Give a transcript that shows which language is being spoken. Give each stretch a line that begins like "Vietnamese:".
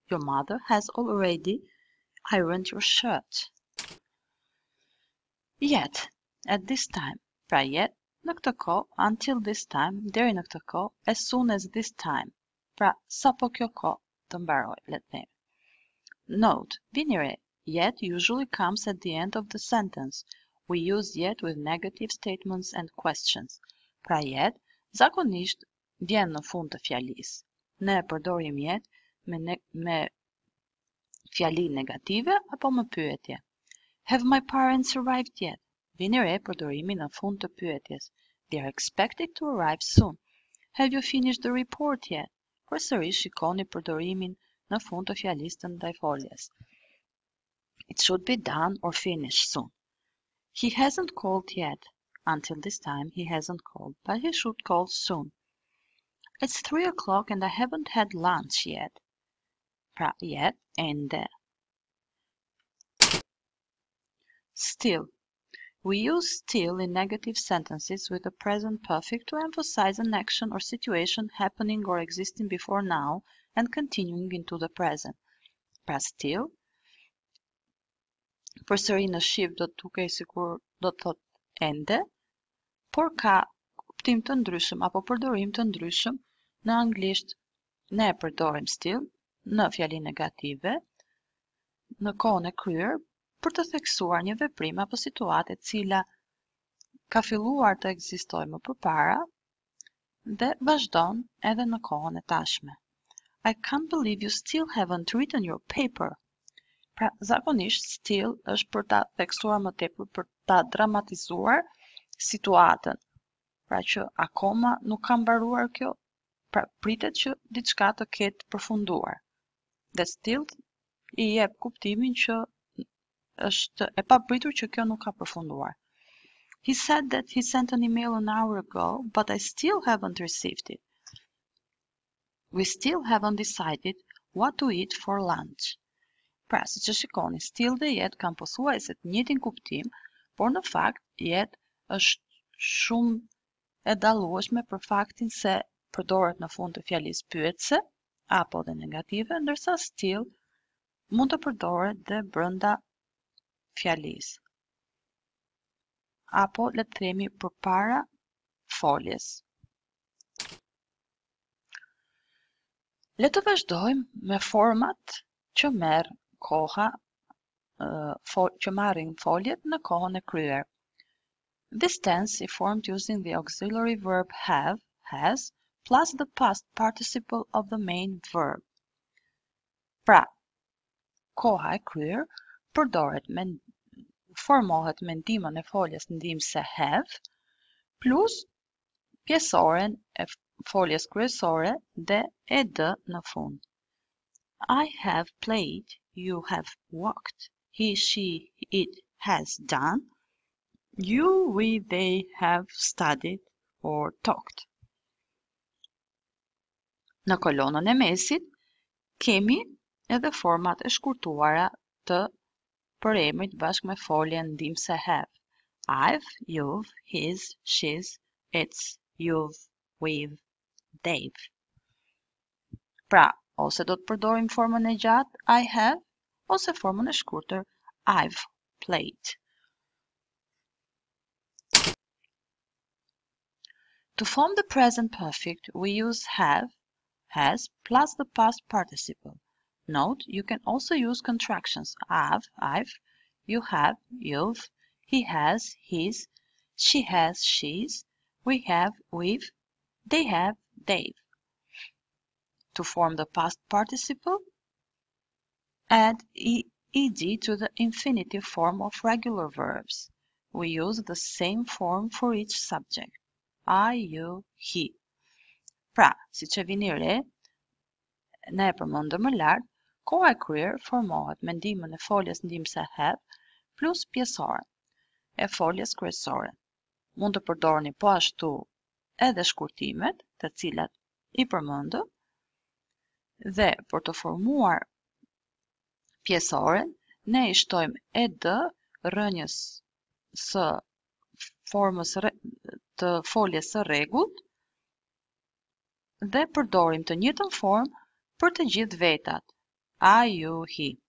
English: Your mother has already ironed your shirt. Yet, at this time. Pra yet,
Albanian: në këtë kohë,
English: until this time,
Albanian: deri në këtë kohë,
English: as soon as this time.
Albanian: Pra sapo kjo kohë të mbaroj, le të them.
English: Note, vinire, yet usually comes at the end of the sentence. We use yet with negative statements and questions.
Albanian: Pra yet, zakonisht, vjen në fund të fjalisë. Ne përdorim yet me fjali negative apo me pyetje.
English: Have my parents arrived yet?
Albanian: Vini re përdorimi në fund të pyetjes.
English: They are expected to arrive soon. Have you finished the report yet?
Albanian: Përsërisht shikoni përdorimin në fund të fjalisë të ndaj foljes.
English: It should be done or finished soon. He hasn't called yet. Until this time, he hasn't called, but he should call soon. It's 3 o'clock and I haven't had lunch yet. Pra, yet, and still. We use still in negative sentences with the present perfect to emphasize an action or situation happening or existing before now and continuing into the present.
Albanian: Pra, still. Përsëri në shqip do të tukej sikur do të thot ende, por ka kuptim të ndryshëm apo përdorim të ndryshëm në anglisht. Ne e përdorim still në fjali negative, në kohën e kryer, për të theksuar një veprim apo situatë e cila ka filluar të ekzistojë më përpara dhe vazhdon edhe në kohën e tashme.
English: I can't believe you still haven't written your paper.
Albanian: Pra, zakonisht, still është për ta theksuar më tepër, për ta dramatizuar situatën. Pra që akoma nuk ka mbaruar kjo, pra pritet që diçka të ketë përfunduar. Dhe still i jep kuptimin që është e papritur që kjo nuk ka përfunduar.
English: He said that he sent an email an hour ago, but I still haven't received it. We still haven't decided what to eat for lunch.
Albanian: Pra, si që shikoni, still dhe yet kanë pothuajse të njëjtin kuptim, por në fakt, yet është shumë e dallueshme për faktin se përdoret në fund të fjalisë pyetëse, apo dhe negative, ndërsa still mund të përdoret dhe brenda fjalisë. Apo, le të themi, përpara foljes. Le të vazhdojmë me format që merë Koha që marrin foljet në kohën e kryer.
English: This tense is formed using the auxiliary verb have, has, plus the past participle of the main verb.
Albanian: Pra, koha e kryer përdoret me formohet me ndimën e foljes ndimëse have plus pjesoren e foljes kryesore dhe ed në fund.
English: I have played. You have walked. He, she, it has done. You, we, they have studied or talked.
Albanian: Në kolonën e mesit, kemi edhe format e shkurtuara të përemrit bashkë me foljen ndimëse have.
English: I've, you've, his, she's, it's, you've, we've, they've.
Albanian: Pra, ose do të përdorim formën e gjatë,
English: I have,
Albanian: ose formën e shkurtër
English: I've played. To form the present perfect, we use have, has, plus the past participle. Note, you can also use contractions have, I've, you have, you've, he has, his, she has, she's, we have, we've, they have, they've. To form the past participle, add ed to the infinitive form of regular verbs. We use the same form for each subject. I, you, he.
Albanian: Pra, si që vini re, ne e përmendëm më lart, koha e kryer formohet me ndimën e foljes ndimëse have plus pjesore e foljes kryesore. Mund të përdorni po ashtu edhe shkurtimet, të cilat i përmendëm, dhe për të formuar pjesoren, ne i shtojmë ed rënjës së formës të foljes së rregullt dhe përdorim të njëjtën formë për të gjithë vetat.
English: I, you, he.